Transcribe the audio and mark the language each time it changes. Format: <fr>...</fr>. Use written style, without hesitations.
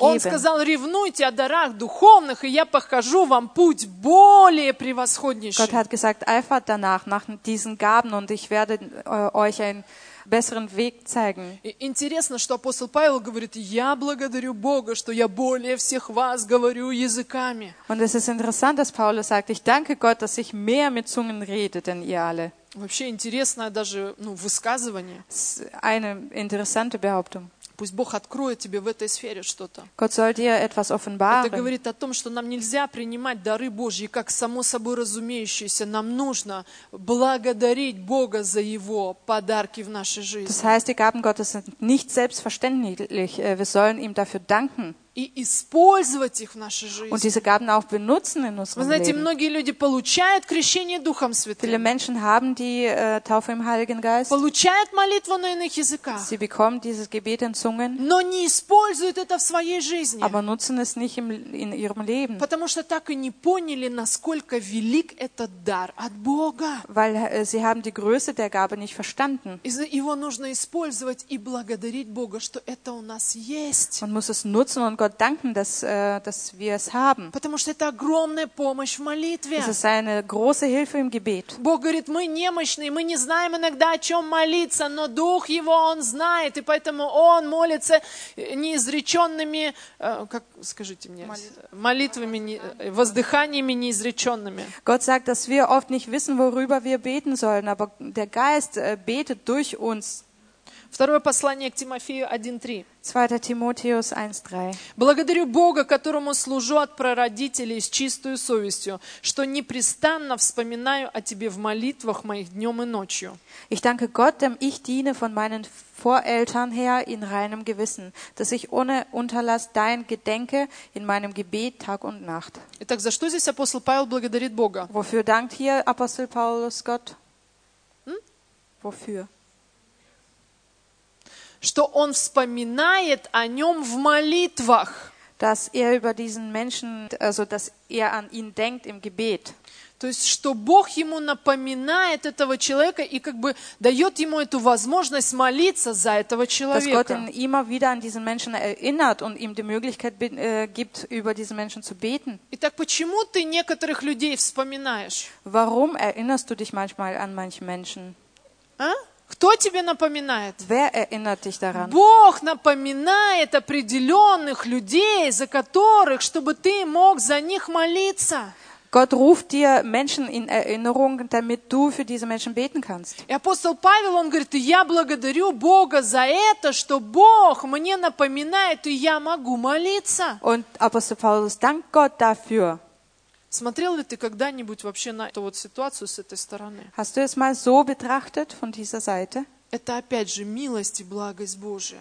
<ru>Он сказал: «Ревнуйте о дарах духовных, и я покажу вам путь более превосходнейший».</ru> <de>Gott hat gesagt: «Eifert danach, nach diesen Gaben, und ich werde euch ein besseren Weg zeigen».</de> <ru>Интересно, что апостол Павел говорит: «Я благодарю Бога, что я более всех вас говорю языками».</ru> <de>Und es ist interessant, dass Paulus sagt: «Ich danke Gott, dass ich mehr mit Zungen rede, denn ihr alle».</de> <ru>Вообще интересное даже, ну, высказывание.</ru> <de>Eine interessante Behauptung.</de> <ru>Пусть Бог откроет тебе в этой сфере что-то.</ru> <de>Gott soll dir etwas offenbaren.</de> <ru>Это говорит о том, что нам нельзя принимать дары Божьи как само собой разумеющиеся. Нам нужно благодарить Бога за Его подарки в нашей жизни.</ru> <de>Das heißt, die Gaben Gottes sind nicht selbstverständlich. Wir sollen ihm dafür danken.</de> <ru>И использовать их в нашей жизни.</ru> <de>Und diese Gaben auch benutzen in unserem Leben.</de> <ru>Вы знаете, многие люди получают крещение Духом Святым.</ru> <de>Viele Menschen haben die Taufe im Heiligen Geist.</de> <ru>Получают молитву на иных языках.</ru> <de>Sie bekommen dieses Gebet in Zungen.</de> <ru>Но не используют это в своей жизни.</ru> <de>Aber nutzen es nicht in ihrem Leben.</de> <ru>Потому что так и не поняли, насколько велик этот дар от Бога.</ru> <de>Weil sie haben die Größe der Gabe nicht verstanden.</de> <ru>Его нужно использовать и благодарить Бога, что это у нас есть.</ru> <de>Man muss es nutzen und Gott danken, dass wir es haben.</de> <ru>Потому что это огромная помощь в молитве.</ru> <de>Es ist eine große Hilfe im Gebet.</de> <ru>Бог говорит: мы немощные, мы не знаем иногда, о чем молиться, но Дух Его, Он знает, и поэтому Он молится неизреченными, как скажите мне, молитвами, воздыханиями неизреченными.</ru> <de>Gott sagt, dass wir oft nicht wissen, worüber wir beten sollen, aber der Geist betet durch uns.</de> <ru>Второе послание к Тимофею 1:3.</ru> <de>2 Тимотеус 1:3.</de> <ru>«Благодарю Бога, которому служу от прародителей с чистой совестью, что непрестанно вспоминаю о тебе в молитвах моих днем и ночью».</ru> <de>Ich danke Gott, dem ich diene von meinen Voreltern her in reinem Gewissen, dass ich ohne Unterlass dein gedenke in meinem Gebet Tag und Nacht.</de> <ru>Итак, за что здесь апостол Павел благодарит Бога?</ru> <de>Wofür dankt hier Apostel Paulus Gott? Wofür?</de> <ru>Что он вспоминает о нем в молитвах.</ru> <de>Dass er über diesen Menschen, also dass er an ihn denkt im Gebet.</de> <ru>То есть, что Бог ему напоминает этого человека и как бы дает ему эту возможность молиться за этого человека.</ru> <de>Dass Gott ihn immer wieder an diesen Menschen erinnert und ihm die Möglichkeit gibt, über diesen Menschen zu beten.</de> <ru>Итак, почему ты некоторых людей вспоминаешь?</ru> <de>Warum erinnerst du dich manchmal an manche Menschen?</de> <ru>А? Кто тебе напоминает?</ru> <de>Wer erinnert dich daran?</de> <ru>Бог напоминает определенных людей, за которых, чтобы ты мог за них молиться.</ru> <de>Gott ruft dir Menschen in Erinnerung, damit du für diese Menschen beten kannst.</de> <ru>И апостол Павел, он говорит: я благодарю Бога за это, что Бог мне напоминает, и я могу молиться.</ru> <de>Und Apostel Paulus dankt Gott dafür.</de> <ru>Смотрел ли ты когда-нибудь вообще на эту вот ситуацию с этой стороны?</ru> <de>Hast du es mal so betrachtet von dieser Seite?</de> <ru>Это опять же милость и благость Божия.</ru>